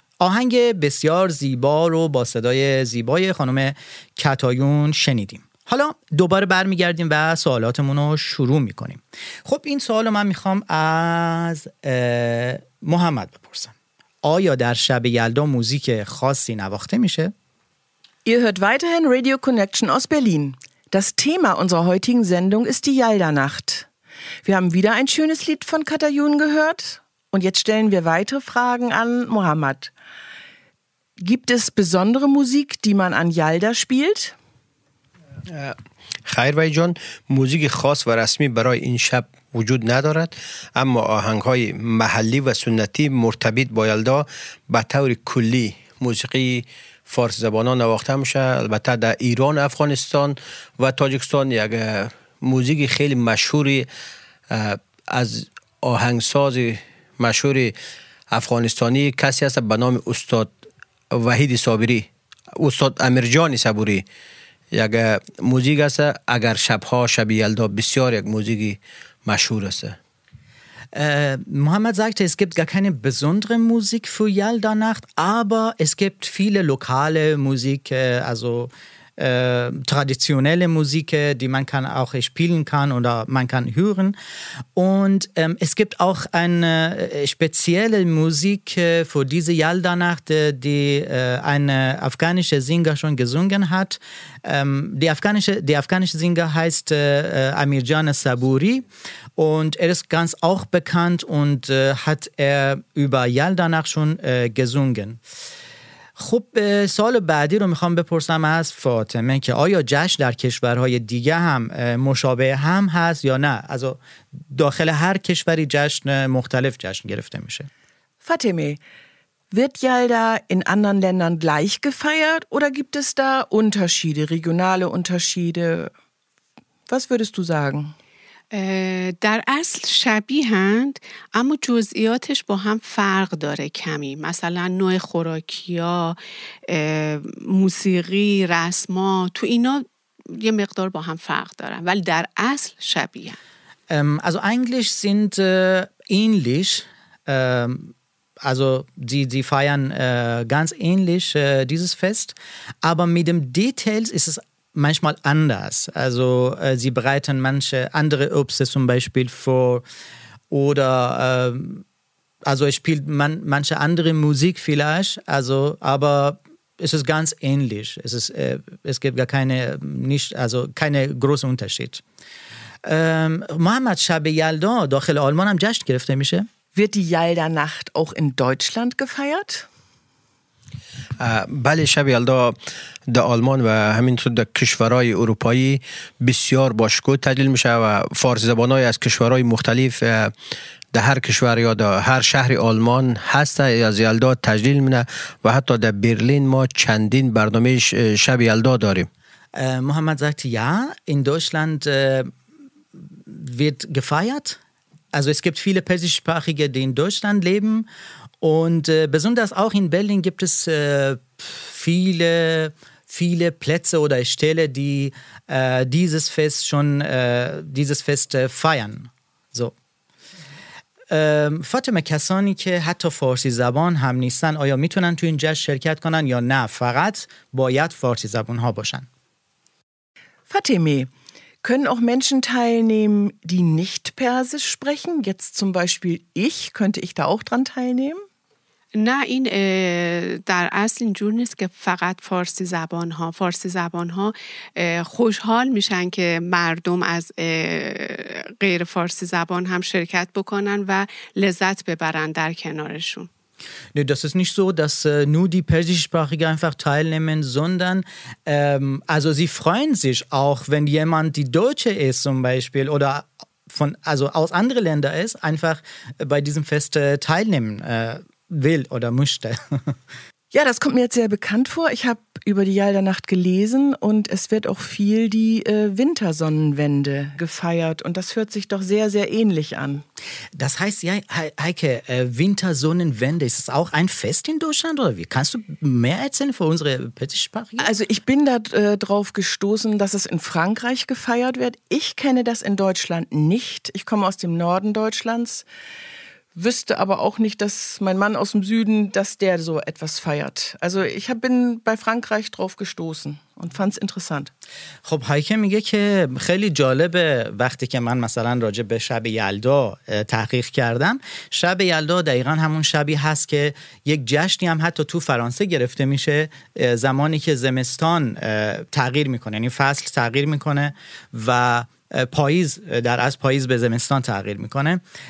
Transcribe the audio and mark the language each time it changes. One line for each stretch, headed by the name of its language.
Persian: آهنگ بسیار زیبا رو با صدای زیبای خانم کتایون شنیدیم. حالا دوباره برمیگردیم و سوالاتمون رو شروع میکنیم. خب این سوال رو من میخوام از محمد بپرسم. آیا در شب یلدا موزیک خاصی نواخته میشه؟
German: Ihr hört weiterhin Radio Connection aus Berlin. Das Thema unserer heutigen Sendung ist die Yalda-Nacht. Wir haben wieder ein schönes Lied von Katayun gehört und jetzt stellen wir weitere Fragen an Mohammed. Gibt es besondere Musik, die man an Yalda spielt?
Persian: خیر وای جان، موزیک خاص و رسمی برای این شب وجود ندارد، اما آهنگ‌های محلی و سنتی مرتبط با یلدا به طور کلی موسیقی فارس زبان‌ها نواخته می‌شود. البته در ایران، افغانستان و تاجیکستان یک موزیک خیلی مشهوری از آهنگساز مشهور افغانستانی کسی است به نام استاد وحید صابری، استاد امیرجان صابری، یک موزیک است اگر شبها شب یلدا، بسیار یک موزیک مشهور است.
German: Mohammed sagte, es gibt gar keine besondere Musik für Yalda Nacht, aber es gibt viele lokale Musik, also traditionelle Musik, die man kann auch spielen kann oder man kann hören. Und es gibt auch eine spezielle Musik für diese Yalda-Nacht, die eine afghanische Sänger schon gesungen hat. Der afghanische Sänger heißt Amirjan Saburi und er ist ganz auch bekannt und hat er über Yalda-Nacht schon gesungen.
Persian: خب سال بعدی رو میخوام بپرسم از فاطمه که آیا جشن در کشورهای دیگه هم مشابه هم هست یا نه؟ از داخل هر کشوری جشن مختلف جشن گرفته میشه.
German: فاطمه، wird Yalda in anderen Ländern gleich gefeiert oder gibt es da Unterschiede, regionale Unterschiede? Was würdest du sagen?
Persian: در اصل شبیه هند، اما جزئیاتش با هم فرق داره کمی. مثلا نوع خوراکی‌ها، موسیقی، رسما، تو اینا یه مقدار با هم فرق دارن، ولی در اصل شبیه هند.
German: Also eigentlich sind ähnlich, also die feiern ganz ähnlich dieses Fest, aber mit dem Details ist es manchmal anders. Also sie bereiten manche andere Obst zum Beispiel vor oder also es spielt manche andere Musik vielleicht, also aber es ist ganz ähnlich. Es ist es gibt gar keine, nicht, also keine großen Unterschied.
Persian: Mohammed, شب یلدا داخل آلمان هم جشن گرفته میشه؟
German: Wird die Yalda-Nacht auch in Deutschland gefeiert?
Persian: بله، شب یلدا در آلمان و همینطور در کشورهای اروپایی بسیار با شکوه تجلیل میشه و فارسی زبانهای از کشورهای مختلف در هر کشور یا در هر شهر آلمان هست از یلدا تجلیل میشه و حتی در برلین ما چندین برنامه شب یلدا داریم.
German: محمد زکت، یا این دوشلند ویرد گفایت؟ Also es gibt viele persischsprachige, die in Deutschland leben. Und besonders auch in Berlin gibt es viele, viele Plätze oder Stellen, die dieses Fest feiern.
Persian: فاطمه، کسانی که حتی فارسی زبان هم نیستن آیا میتونن تو این جشن شرکت کنن یا نه فقط باید فارسی زبان ها باشن؟
German: فاطمه، können auch Menschen teilnehmen, die nicht Persisch sprechen? Jetzt zum Beispiel ich, könnte ich da auch dran teilnehmen?
Persian: نه، این در اصل اینجور نیست که فقط فارسی زبان ها. فارسی زبان ها خوشحال میشن که مردم از غیر فارسی زبان هم شرکت بکنن و لذت ببرن در کنارشون.
German: Nee, das ist nicht so, dass nur die Persischsprachigen einfach teilnehmen, sondern also sie freuen sich auch, wenn jemand die Deutsche ist zum Beispiel oder von, also aus anderen Ländern ist, einfach bei diesem Fest teilnehmen will oder möchte. Ja, das kommt mir jetzt sehr bekannt vor. Ich habe über die Jaldernacht gelesen und es wird auch viel die Wintersonnenwende gefeiert. Und das hört sich doch sehr, sehr ähnlich an. Das heißt, ja, Heike, Wintersonnenwende, ist es auch ein Fest in Deutschland? Oder wie? Kannst du mehr erzählen für unsere Petitsprache? Also ich bin da drauf gestoßen, dass es in Frankreich gefeiert wird. Ich kenne das in Deutschland nicht. Ich komme aus dem Norden Deutschlands. Wüsste aber auch nicht, dass mein Mann aus dem Süden, dass der so etwas feiert. Also ich bin bei Frankreich drauf gestoßen und fand's interessant.
Persian: خب هایکه میگه که خیلی جالبه وقتی که من مثلا راجع به شب یلدا تحقیق کردم، شب یلدا دقیقا همون شبی هست که یک جشنی هم حتی تو فرانسه گرفته میشه، زمانی که زمستان تغییر میکنه، یعنی فصل تغییر میکنه و پاییز در از پاییز به زمستان تغییر میکنه.